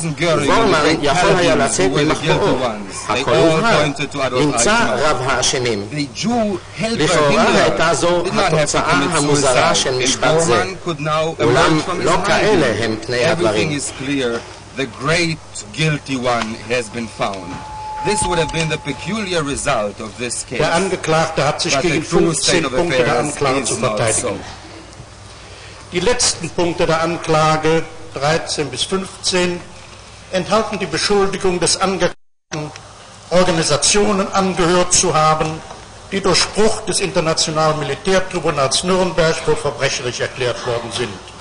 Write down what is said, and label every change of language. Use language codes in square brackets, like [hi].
[he] בורמן יכול היה לצאת ממחבורו. הכל הובהר, נמצא רב האשמים. לכאורה הייתה זו התוצאה המוזרה של משפט זה. אולם לא כאלה הם פני הדברים. [en] The great guilty one has been found. This would have been the peculiar result of this case. [de] Der Angeklagte hat sich gegen 15 Punkte der Anklage zu verteidigen. Die letzten Punkte der Anklage, 13 bis 15, enthalten die Beschuldigung des Angeklagten, Organisationen angehört zu haben, die durch Spruch des Internationalen Militärtribunals Nürnberg für verbrecherisch erklärt worden sind.